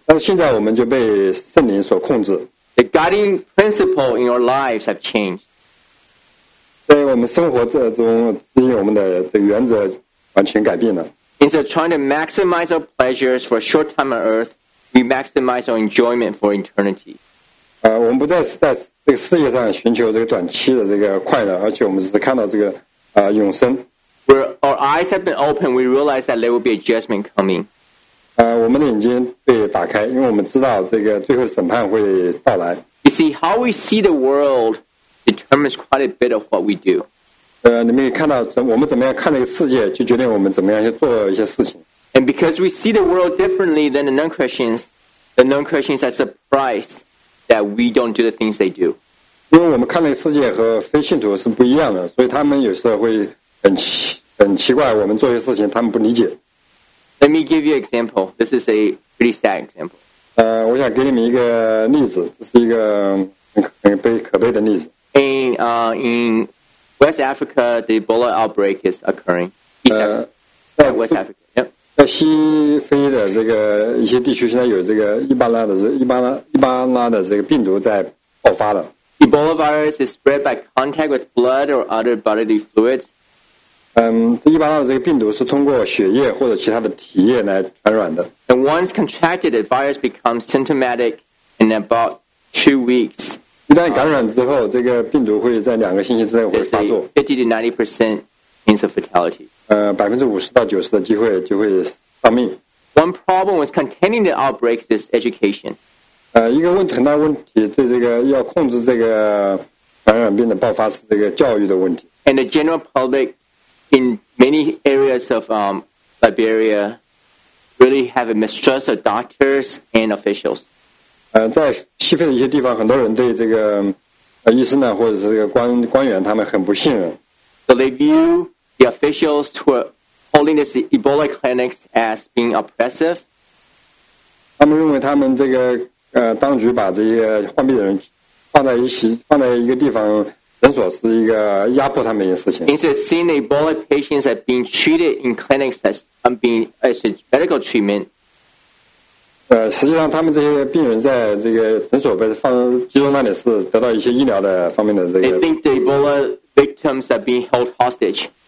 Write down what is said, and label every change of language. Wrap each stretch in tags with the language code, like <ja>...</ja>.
<zh>但是现在我们就被圣灵所控制。</zh> <en>The guiding principle in our lives have changed.</en> <zh>在我们生活之中，执行我们的这个原则。完全改变了。</zh> <en>Instead of trying to maximize our pleasures for a short time on earth, we maximize our enjoyment for eternity.</en> <zh>我们不再是在这个世界上寻求这个短期的这个快乐，而且我们是看到这个永生。</zh> <en>Where our eyes have been opened, we realize that there will be a judgment coming.</en> <zh>我们的眼睛被打开，因为我们知道这个最后审判会到来。</zh> <en>You see, how we see the world determines quite a bit of what we do.</en> <zh>你们也看到我们怎么样看这个世界就决定我们怎么样去做一些事情。</zh> <en>And because we see the world differently than the non-Christians are surprised that we don't do the things they do.</en> <zh>因为我们看这个世界和非信徒是不一样的，所以他们有时候会很奇怪我们做一些事情他们不理解。</zh> <en>Let me give you an example. This is a pretty sad example.</en> <zh>我想给你们一个例子，这是一个很可悲的例子。</zh> <en>In West Africa, the Ebola outbreak is occurring. East Africa. Yeah, West Africa. Yep.</en> <zh>在西非的这个一些地区，现在有这个伊巴拉的这个病毒在爆发了。</zh> <en>Ebola virus is spread by contact with blood or other bodily fluids.</en> <zh>这伊巴拉的这个病毒是通过血液或者其他的体液来传染的。</zh> <en>And once contracted, the virus becomes symptomatic in about 2 weeks.</en> <zh>一旦感染之后，这个病毒会在两个星期之内会发作。</zh> <en>50-90% chance of fatality.</en> <zh>50-90%的机会就会丧命。</zh> <en>One problem with containing the outbreaks is education.</en> <zh>一个问题很大问题，对这个要控制这个传染病的爆发是这个教育的问题。</zh> <en>And the general public in many areas of Liberia really have a mistrust of doctors and officials.</en> <zh>在西非的一些地方，很多人对这个医生呢，或者是这个官员，他们很不信任。</zh> <en>So they view the officials who are holding this Ebola clinics as being oppressive.</en> <zh>他们认为他们这个当局把这些患病的人放在一个地方诊所，是一个压迫他们的事情。</zh> <en>Instead, seeing Ebola patients are being treated in clinics as a medical treatment.</en> <zh>实际上他们这些病人在这个诊所被放集中那里是得到一些医疗的方面的这个。</zh> <en>They think the Ebola victims are being held hostage.</en>